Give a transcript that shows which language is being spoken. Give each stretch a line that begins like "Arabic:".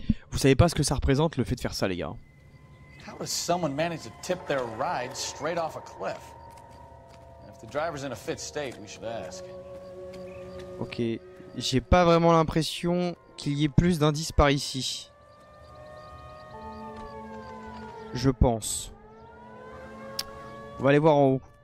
French: Vous savez pas ce que ça représente le fait de faire ça, les gars.
English: How does someone manage to tip their ride straight off a cliff? If the driver's in a fit state, we should ask.
French: Ok, j'ai pas vraiment l'impression qu'il y ait plus d'indices par ici. Je pense. On va aller voir en haut.